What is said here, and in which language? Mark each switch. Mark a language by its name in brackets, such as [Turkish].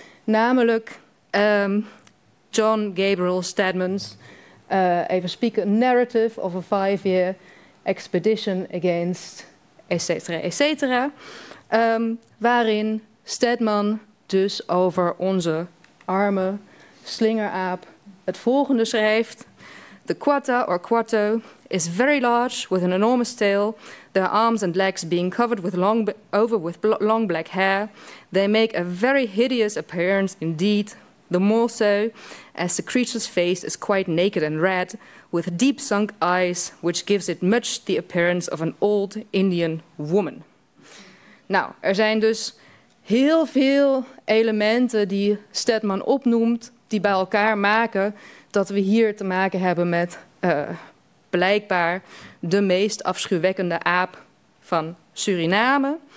[Dutch] Namelijk John Gabriel Stedman's even spieken, Narrative of a Five-Year Expedition Against etc. etc. Waarin Stedman dus over onze arme slingeraap het volgende schrijft. [English] The quatta or quatto is very large with an enormous tail, their arms and legs being covered with long black hair. They make a very hideous appearance indeed, the more so as the creature's face is quite naked and red, with deep sunk eyes, which gives it much the appearance of an old Indian woman. [Dutch] Nou, er zijn dus heel veel elementen die Stedman opnoemt, die bij elkaar maken dat we hier te maken hebben met blijkbaar de meest afschuwwekkende aap van Suriname.